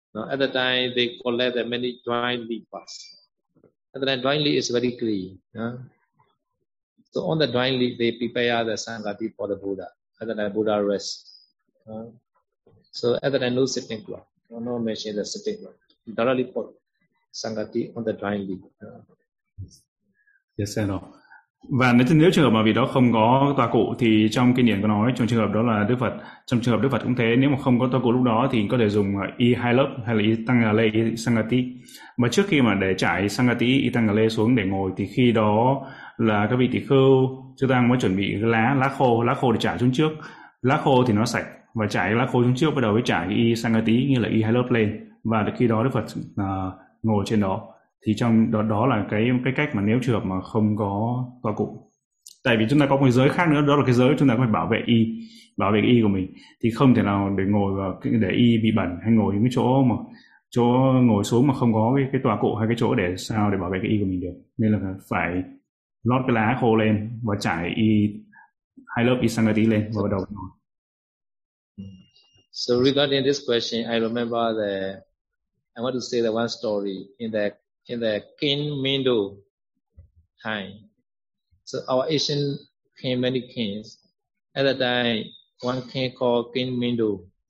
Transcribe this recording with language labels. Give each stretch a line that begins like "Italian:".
English: At the time they collect the many dry leaves. And then dry leaf is very clean. So on the dry leaf they prepare the sangati for the Buddha. And then the Buddha rest. So and then no sitting cloth. No mention the sitting cloth. Directly put sangati on the dry leaf.
Vietnamese: Yes, và nếu trường hợp mà vị đó không có tòa cụ thì trong kinh điển có nói trong trường hợp đó là Đức Phật, trong trường hợp Đức Phật cũng thế, nếu mà không có tòa cụ lúc đó thì có thể dùng y hai lớp hay là y tăng lê y sangati, mà trước khi mà để trải sangati y tăng lê xuống để ngồi thì khi đó là các vị tỳ khưu chúng ta mới chuẩn bị lá khô để trải xuống trước, lá khô thì nó sạch và trải lá khô xuống trước bắt đầu mới trải y sangati như là y hai lớp lên, và khi đó Đức Phật ngồi trên đó. Thì trong đó là cái cách mà nếu trường hợp mà không có tòa cụ, tại vì chúng ta có một giới khác nữa, đó là cái giới chúng ta phải bảo vệ y của mình, thì không thể nào để ngồi và để y bị bẩn hay ngồi những cái chỗ ngồi xuống mà không có cái tòa cụ hay cái chỗ để sao để bảo vệ cái y của mình được, nên là phải lót cái lá khô lên và trải y hai lớp y sangati lên và bắt đầu ngồi.
English: So regarding this question, I remember that I want to say the one story in the King Mindo time. So our Asian king, many kings. At the time, one king called King Mindo.